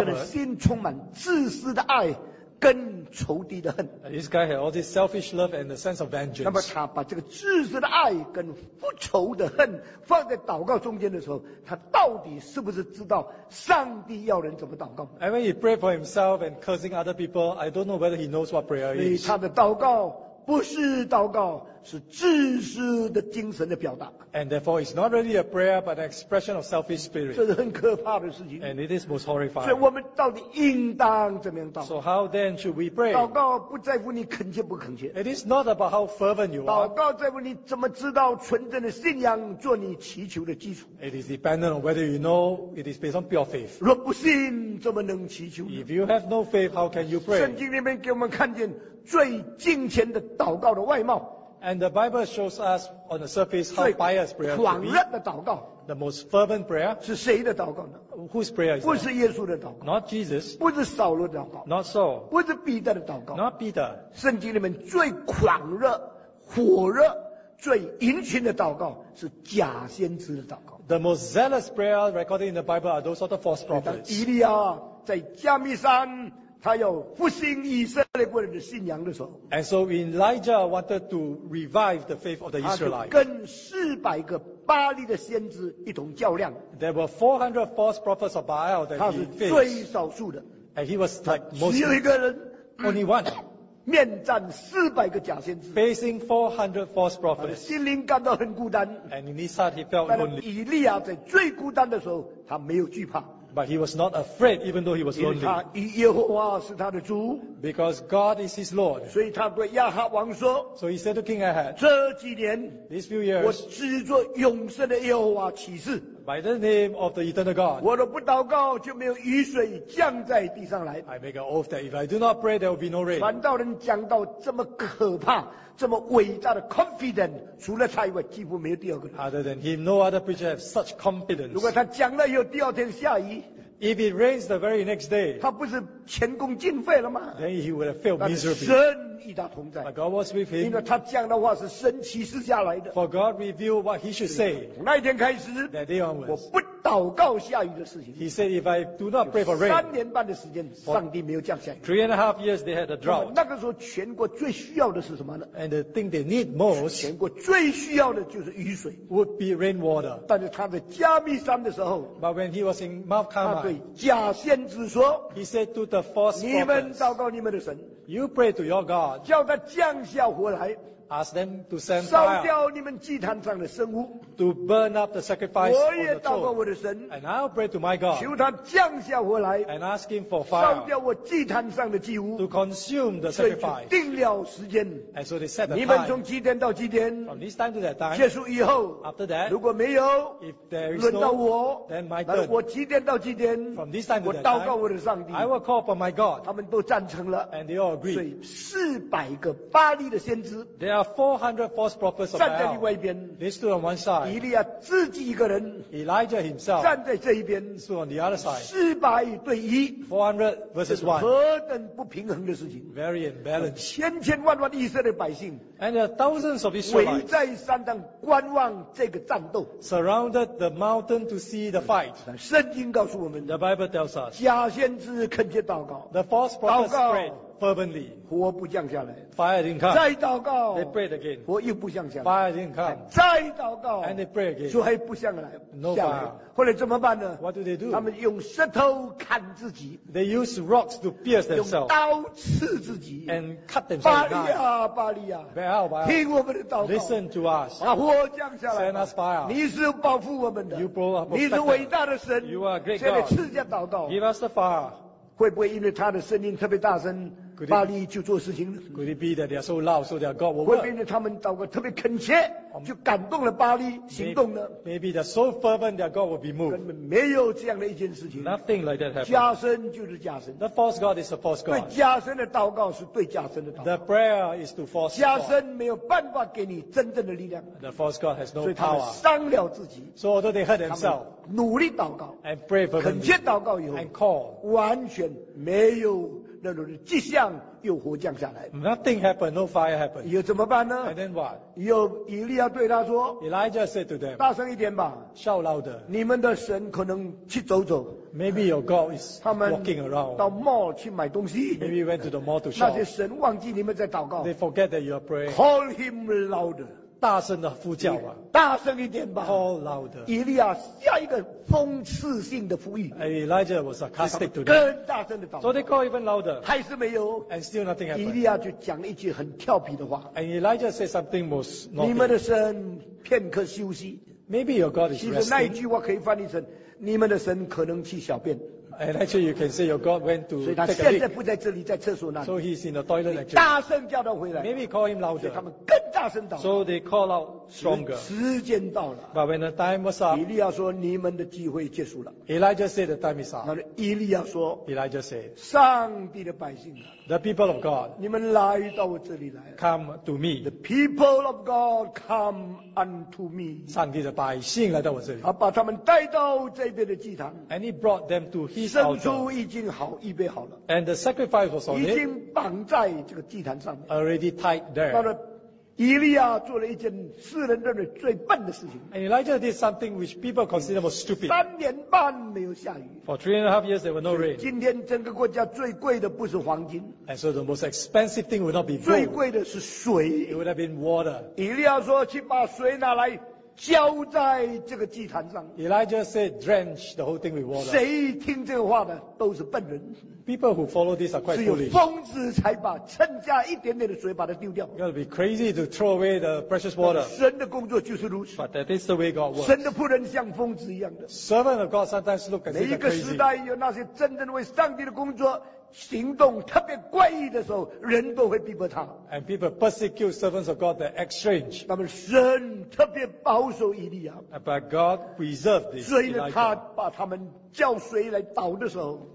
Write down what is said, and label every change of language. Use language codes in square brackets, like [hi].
[zh] 这个人心充满自私的爱，跟仇敌的恨。 [en] This guy had all this selfish love and a sense of vengeance. [zh] 那么他把这个自私的爱跟复仇的恨放在祷告中间的时候，他到底是不是知道上帝要人怎么祷告 [en] ？And when he prayed for himself and cursing other people, I don't know whether he knows what prayer is. [zh] 所以他的祷告不是祷告，是自私的精神的表达。 [en] And therefore, it's not really a prayer, but an expression of selfish spirit. [zh] 这是很可怕的事情。 [en] And it is most horrifying. [zh] 所以我们到底应当怎么样祷告 [en] ？So how then should we pray? [zh] 祷告不在乎你恳切不恳切。 [en] It is not about how fervent you are. [zh] 祷告在乎你怎么知道纯正的信仰做你祈求的基础。 [en] It is dependent on whether you know. It is based on pure faith. [zh] 若不信，怎么能祈求呢 [en] ？If you have no faith, how can you pray? [zh] 圣经里面给我们看见最敬虔的祷告的外貌。 [en] And the Bible shows us on the surface how pious prayer can be. [zh] 最狂热的祷告。 [en] The most fervent prayer. [zh] 是谁的祷告呢 [en] ？Whose prayer is that? [zh] 不是耶稣的祷告。 [en] Not Jesus. [zh] 不是扫罗的祷告。 [en] Not Saul. [zh] 不是彼得的祷告。 [en] Not Peter. [zh] 圣经里面最狂热、火热、最殷勤的祷告是假先知的祷告。 [en] The most zealous prayer recorded in the Bible are those sort of false prophets. [zh] 以利亚在加密山。他要复兴以色列国人的信仰的时候 [en] ，And so Elijah wanted to revive the faith of the Israelites. [zh] 跟400个巴利的先知一同较量。 [en] There were 400 false prophets of Baal that he faced. [zh] 他是最少数的 [en] ，And he was like most. [zh] 只有一个人 [en] ，Only one. [zh] 面战400个假先知 [en] ，Facing 400 false prophets. [zh] 心灵感到很孤单 [en] ，And in his heart he felt lonely. [zh] 以利亚在最孤单的时候，他没有惧怕。 [en] But he was not afraid, even though he was lonely. [zh] 因为耶和华是他的主。 [en] Because God is his Lord. [zh] 所以他对亚哈王说。 [en] So he said to King Ahab. [zh] 这几年。 [en] These few years. [zh] 我只做永生的耶和华启示。 [en] By the name of the eternal God. [zh] 我若不祷告，就没有雨水降在地上来。 [en] I make an oath that if I do not pray, there will be no rain. [zh] 传道人讲到这么可怕。这么伟大的 confident 除了他以外几乎没有第二个人 [en] other than him no other preacher have such confidence [zh] 如果他讲了以后第二天下雨 [en] if it rains the very next day [zh] 他不是前功尽废了吗 [en] then he would have failed miserably [zh] 神与他同在 [en] but God was with him [zh] 因为他讲的话是神启示下来的 [en] for God revealed what he should say [zh] 从那一天开始 [en] that day onwards [zh] 我不祷告下雨的事情 [en] he said if I do not pray for rain [zh] 三年半的时间上帝没有降下雨 [en] three and a half years they had a drought [zh] 那个时候全国最需要的是什么呢 [en] and the thing they need most [zh] 全国最需要的就是雨水 [en] would be rainwater [zh] 但是他在加密山的时候 [en] but when he was in Mount Carmel [zh] 他对假先知说 [en] he said to the false prophets [zh] 你们祷告你们的神 [en] you pray to your God [zh] 叫他降下火来 [en] Ask them to send fire. [zh] 烧掉你们祭坛上的牲物。 [en] To burn up the sacrifice on the altar. [zh] 我也祷告我的神。 [en] And I'll pray to my God. [zh] 求他降下火来。 [en] And ask him for fire. [zh] 烧掉我祭坛上的祭物。 [en] To consume the sacrifice. [zh] 定了时间。 [en] And so they set the time. [zh] 你们从几点到几点。 [en] From this time to that time. [zh] 结束以后。 [en] After that. [zh] 如果没有。 [en] If there is no. [zh] 轮到我。 [en] Then my turn. [zh] 我几点到几点。 [en] From this time to that time. [zh] 我祷告我的上帝。 [en] I will call upon my God. [zh] 他们都赞成了。 [en] And they all agree. [zh] 所以400个巴利的先知。 [en] There are 400 false prophets of Baal. [zh] 站在另外一边 [en] They stood on one side. [zh] 以利亚自己一个人 [en] Elijah himself. [zh] 站在这一边 [en] Stood on the other side. [zh] 400对一 [en] 400 versus 1. [zh] 何等不平衡的事情 [en] Very imbalanced. [zh] 千千万万的以色列百姓 [en] And there are thousands of Israelites. [zh] 围在山上观望这个战斗 [en] Surrounded the mountain to see the fight. [zh] 圣经告诉我们 [en] The Bible tells us. [zh] 假先知恳切祷告 [en] The false prophets prayed. Fervently, [zh] 火不降下来。 [en] Fire didn't come. [zh] 再祷告。 [en] They prayed again. [zh] 火又不降下来。 [en] Fire didn't come. [zh] 再祷告。 [en] And they prayed again. [zh] 就还不降来。 [en] No fire. [zh] 后来怎么办呢 [en] ？What do they do? [zh] 他们用石头砍自己。 [en] They use rocks to pierce themselves. [zh] 用刀刺自己。 [en] And cut themselves. [zh] 巴利亚，巴利亚。 [en] Baal, Baal. [zh] 听我们的祷告。 [en] Listen to us. [zh] 把火降下来。 [en] Send us fire. [zh] 你是保护我们的。 [en] You brought up. [zh] 你是伟大的神。 [en] You are great God. [zh] 现在赐下祷告。 [en] Give us the fire. [zh] 会不会因为他的声音特别大声？巴利就做事情了。 [en] Could it be that they are so loud, so their God will work? [zh] 会不会他们祷告特别恳切，就感动了巴利行动呢 [en] ？Maybe they're so fervent, their God will be moved. [zh] 根本没有这样的一件事情。 [en] Nothing like that happened. [zh] 假神就是假神。 [en] The false God is a false God. [zh] 对假神的祷告是对假神的祷告。 [en] The prayer is to false God. [zh] 假神没有办法给你真正的力量。 [en] The false God has no power. [zh] 所以他们伤了自己。 [en] So although they hurt themselves. [zh] 努力祷告。 [en] And pray fervently. [zh] 恳切祷告以后。 [en] And call. [zh] 完全没有。那种迹象又火降下来。 [en] Nothing happened, no fire happened. [zh] 又怎么办呢 [en] ？And then what? [zh] 又以利亚对他说 [en] ，Elijah said to them， [zh] 大声一点吧 [en] ，Shout louder。 [zh] 你们的神可能去走走 [en] ，Maybe your God is walking around。 [zh] 到 mall 去买东西 [en] ，Maybe went to the mall to shop。 [zh] 那些神忘记你们在祷告 [en] ，They forget that you are praying。 Call him louder。 [zh] 大声的呼叫啊！大声一点吧 [en] ！Call louder！ [zh] 以利亚下一个讽刺性的呼吁。 [en] Elijah was sarcastic to them. [zh] 更大声的祷告。 [en] So they call even louder. [zh] 还是没有。 [en] And still nothing happened. [zh] 以利亚就讲了一句很调皮的话。 [en] And Elijah said something was not. [zh] 你们的神片刻休息。 [en] Maybe your God is resting. [zh] 其实那一句话可以翻译成：你们的神可能去小便。 [en] And actually, you can say your God went to take a leak. [zh] 所以他现在不在这里，在厕所那里。 [en] So he's in the toilet. [zh] 大声叫他回来。 [en] Maybe call him louder. [zh] 所以他们更大声祷告。 [en] So they call out stronger. [zh] 时间到了。 [en] But when the time was up, [zh] 以利亚说：“你们的机会结束了。” [en] Elijah said, "The time is up." [zh] 那以利亚说 [en] ：“Elijah said, [zh] 上帝的百姓啊 [en] ，the people of God, [zh] 你们来到我这里来。 [en] Come to me. The people of God, come unto me. [zh] 上帝的百姓来到我这里。他把他们带到这边的祭坛。 [en] And he brought them to his [zh] 圣猪已经好预备好了 [en] ，and the sacrifice was on it， [zh] 已经绑在这个祭坛上面 [en] ，already tied there。 [zh] 到了，以利亚做了一件世人认为最笨的事情 [en] ，and Elijah did something which people consider was stupid。 [zh] 三年半没有下雨 [en] ，for three and a half years there were no rain。 [zh] 今天整个国家最贵的不是黄金 [en] ，and so the most expensive thing would not be gold。 [zh] 最贵的是水 [en] ，it would have been water。 [zh] 以利亚说去把水拿来。浇在这个祭坛上。 [en] Elijah said, "Drench the whole thing with water." [zh] 谁听这个话的都是笨人。 [en] People who follow this are quite foolish. [zh] 只有疯子才把剩下一点点的水把它丢掉。 [en] You gotta be crazy to throw away the precious water. [zh] 神的工作就是如此。 [en] But that is the way God works. [zh] 神的仆人像疯子一样的。 [en] Servant of God sometimes look as crazy. [zh] 每一个时代有那些真正为上帝的工作。行动特别怪异的时候，人都会逼迫他。 [en] And people persecute servants of God that act strange. [zh] 那么神特别保守以利亚。 [en] But God preserved this. [zh] 所以呢，他把他们叫水来倒的时候